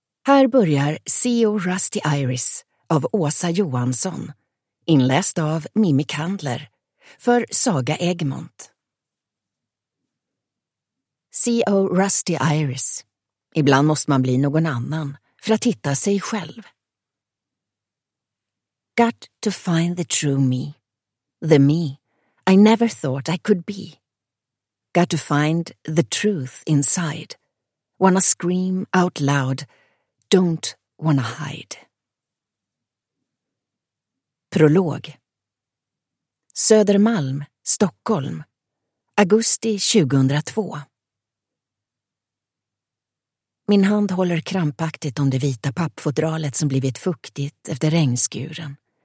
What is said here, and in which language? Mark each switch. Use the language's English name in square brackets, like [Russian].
[Swedish] Här börjar CEO Rusty Iris av Åsa Johansson, inläst av Mimmi Kandler, för Saga Egmont. CEO Rusty Iris. Ibland måste man bli någon annan för att hitta sig själv. [English] Got to find the true me, the me I never thought I could be. Got to find the truth inside, wanna scream out loud, don't wanna hide. [Swedish] Prolog. Södermalm, Stockholm, augusti 2002. Min hand håller krampaktigt om det vita pappfodralet som blivit fuktigt efter regnskuren.